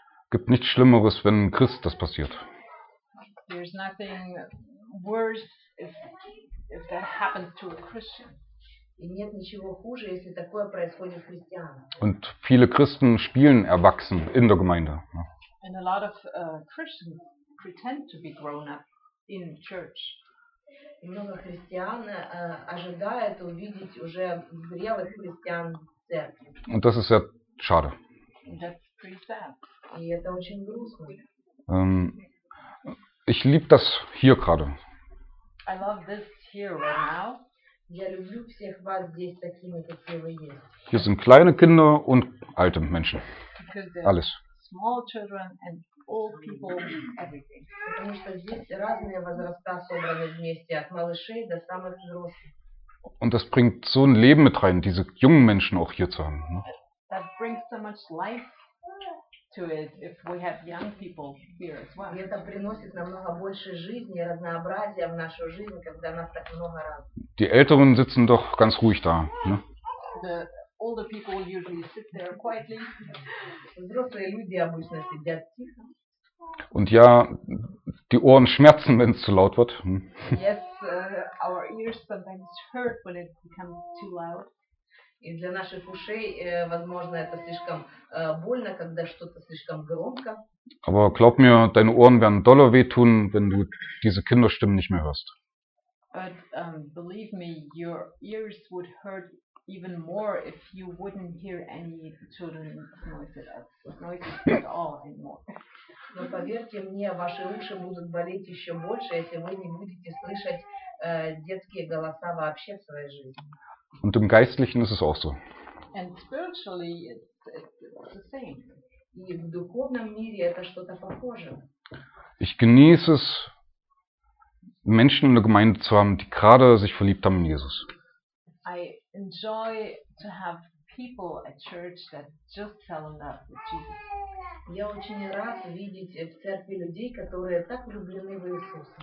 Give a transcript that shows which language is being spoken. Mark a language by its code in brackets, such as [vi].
[de] Gibt nichts Schlimmeres, wenn ein Christ das passiert. [en] There's nothing worse if that happens to a Christian. [ru] И нет ничего хуже, если такое происходит с христианом. [de] Und viele Christen spielen erwachsen in der Gemeinde. [en] And a lot of Christians pretend to be grown-up. In church. [ru] И много христиан ожидают увидеть уже зрелых христиан в церкви. [de] Und das ist ja schade. [en] That's pretty sad. [ru] И это очень грустно. [de] Ich liebe das hier gerade. [en] I love this here right now. [ru] Я люблю всех вас здесь такими, какие вы есть. [de] Hier sind kleine Kinder und alte Menschen. Alles. [en] Small children and all people, everything. [ru] Потому что здесь разные возраста собраны вместе, от малышей до самых взрослых. [de] Und das bringt so ein Leben mit rein, diese jungen Menschen auch hier zu haben. Ne? [en] That brings so much life to it, if we have young people here as well. [ru] И это приносит намного больше жизни, разнообразия в нашу жизнь, когда нас так много раз. [de] Die Älteren sitzen doch ganz ruhig da. Ne? [en] Older people usually sit there quietly. [ru] Взрослые люди обычно сидят тихо. [de] Und ja, die Ohren schmerzen, wenn es zu laut wird. [en] Yes, our ears sometimes hurt when it becomes too loud. [ru] И для наших ушей, возможно, это слишком больно, когда что-то слишком громко. [de] Aber glaub mir, deine Ohren werden doller wehtun, wenn du diese Kinderstimmen nicht mehr hörst. [en] But believe me, your ears would hurt even more if you wouldn't hear any children's noises at all anymore. [ru] Но поверьте мне, ваши уши будут болеть еще больше, если вы не будете слышать детские голоса вообще в своей жизни. [de] Und im Geistlichen ist es auch so. [en] And spiritually it's the same. [ru] И в духовном мире это что-то похожее. [de] Ich genieße es, Menschen in der Gemeinde zu haben, die gerade sich verliebt haben in Jesus. [en] I enjoy to have people at church that just fell in love with Jesus. [ru] Я очень рад видеть в церкви людей, которые так влюблены в Иисуса.